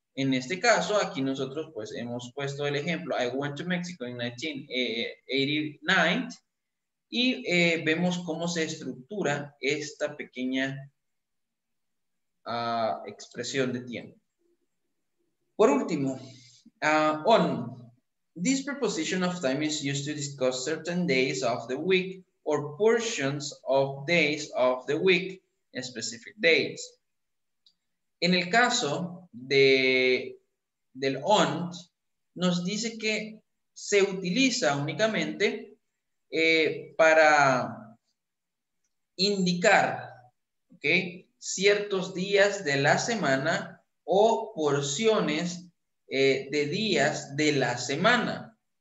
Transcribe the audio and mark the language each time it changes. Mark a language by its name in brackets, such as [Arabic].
[Spanish] En este caso, aquí nosotros pues hemos puesto el ejemplo, [English] I went to Mexico in 1989, [Spanish] y vemos cómo se estructura esta pequeña expresión de tiempo. Por último, on. [English] This preposition of time is used to discuss certain days of the week or portions of days of the week, specific days. [Spanish] En el caso del on, nos dice que se utiliza únicamente para indicar, ¿okay?, ciertos días de la semana o porciones de días de la semana.